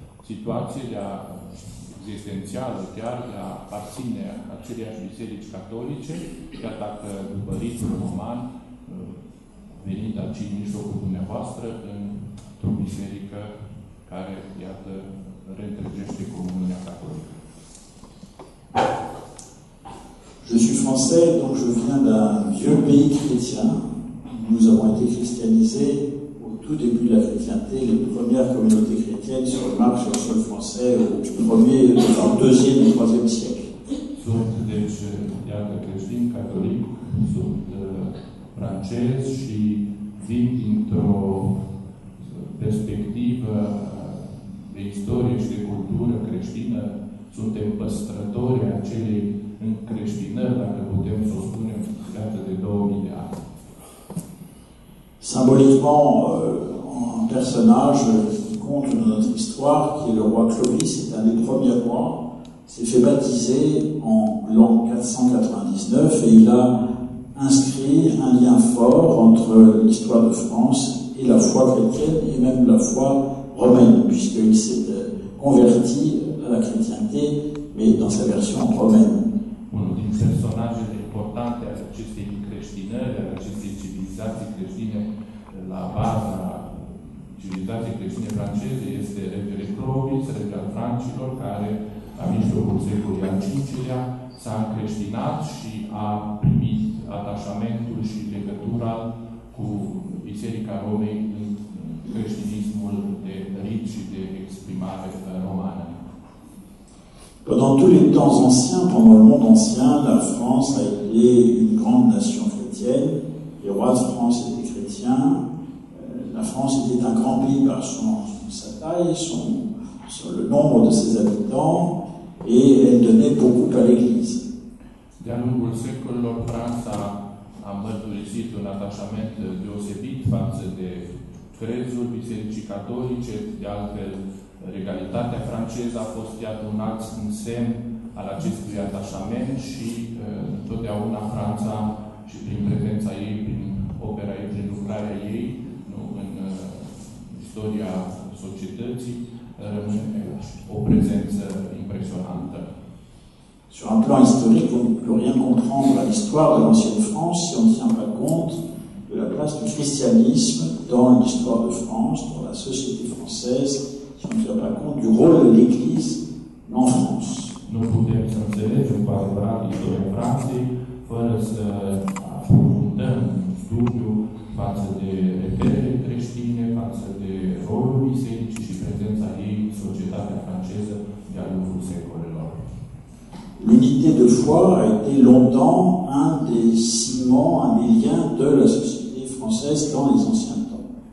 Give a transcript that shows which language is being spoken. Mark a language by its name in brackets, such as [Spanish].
[Romanian] situație de a existențială chiar, de a aparține aceleiași biserici catolice, chiar dacă după ritmul roman, venind aici în mijlocul dumneavoastră, într-o biserică care, iată, reîntregește comunia catolică. [French] Je suis français, donc je viens d'un vieux pays chrétien. Nous avons été christianisés au tout début de la chrétienté, les premières communautés chrétiennes sur le marché sur le sol français au premier, enfin, deuxième et troisième siècle. [Romanian] Sunt, deci, iată, creștin catolic, sunt francez și vin dintr-o perspectivă de istorie și de cultură creștină. Suntem păstrători acelei creștinări, dacă putem să o spunem, creată de 2000 de ani. [French] Symboliquement, un personnage qui compte dans notre histoire, qui est le roi Clovis, est un des premiers rois, s'est fait baptiser en l'an 499 et il a inscrit un lien fort entre l'histoire de France et la foi chrétienne et même la foi romaine, puisqu'il s'est converti à la chrétienté, mais dans sa version romaine. [Romanian] Unul din personajele importante ale acestei creștinări, ale acestei civilizații creștine, la baza civilizației creștine franceze, este regele Clovis, regele francilor, care la mijlocul secolului al V-lea s-a încreștinat și a primit atașamentul și legătura cu Biserica Romei în creștinismul de rit și de exprimare romană. [French] Pendant tous les temps anciens, pendant le monde ancien, la France a été une grande nation chrétienne. Les rois de France étaient chrétiens. La France était un grand pays par sa taille, sur le nombre de ses habitants, et elle donnait beaucoup à l'Église. [Romanian] De-a lungul secolilor, France a mărturisit un atașament deosebit față de crezul bisericii catolice, de altfel, regalitatea franceză a fost, iată, un alt semn al acestui atașament și totdeauna Franța și prin prezența ei, prin opera ei, prin lucrarea ei, nu, în istoria societății, rămâne o prezență impresionantă. [French] Sur un plan istoric, on ne peut rien comprendre la histoire de l'ancienne France si on ne tient pas compte de la place du christianisme dans l'histoire de France, dans la société française, [Romanian] nu putem să înțelegem cu adevărat istoria Franței fără să aprofundăm studiul față de reperele creștine, față de rolul bisericii și prezența ei în societatea franceză de-a lungul secolelor. [French] L'unité de foi a été longtemps un des ciments, un des liens de la société française dans les anciens temps.